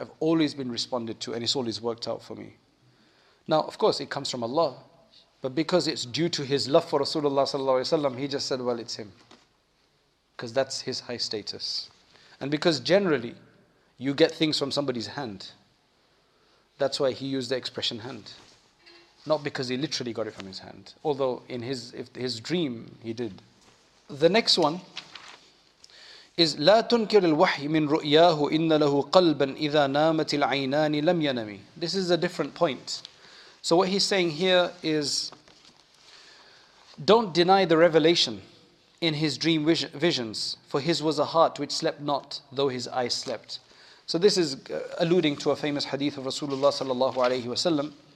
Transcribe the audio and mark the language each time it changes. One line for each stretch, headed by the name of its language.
English: I've always been responded to, and it's always worked out for me. Now, of course, it comes from Allah, but because it's due to His love for Rasulullah sallallahu alaihi wasallam, He just said, "Well, it's Him," because that's His high status, and because generally, you get things from somebody's hand. That's why He used the expression "hand," not because He literally got it from His hand. Although in his dream, He did. The next one is
Arabic: لا تنكر الوحي من رؤياه إن له قلبا إذا نامت العينان لم ينمي.
English: This is a different point. So what he's saying here is, don't deny the revelation in his dream visions, for his was a heart which slept not, though his eyes slept. So this is alluding to a famous hadith of Rasulullah sallallahu alayhi wa sallam.